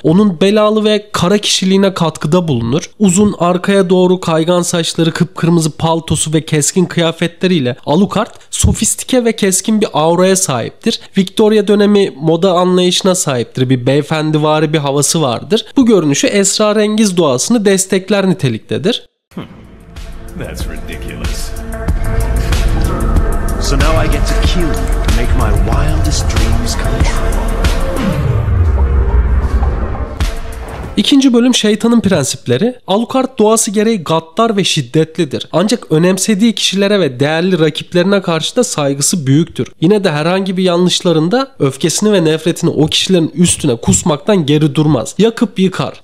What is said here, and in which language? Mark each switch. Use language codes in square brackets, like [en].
[tr] Onun belalı ve kara kişiliğine katkıda bulunur. Uzun arkaya doğru kaygan saçları, kıpkırmızı paltosu ve keskin kıyafetleriyle Alucard sofistike ve keskin bir auraya sahiptir. Victoria dönemi moda anlayışına sahiptir. Bir beyefendivari bir havası vardır. Bu görünüşü esrarengiz doğasını destekler niteliktedir. [en] That's ridiculous. So now I get to kill you to make my wildest dreams come true. [tr] İkinci bölüm Şeytanın Prensipleri. Alucard doğası gereği gaddar ve şiddetlidir. Ancak önemsediği kişilere ve değerli rakiplerine karşı da saygısı büyüktür. Yine de herhangi bir yanlışlarında öfkesini ve nefretini o kişilerin üstüne kusmaktan geri durmaz. Yakıp yıkar.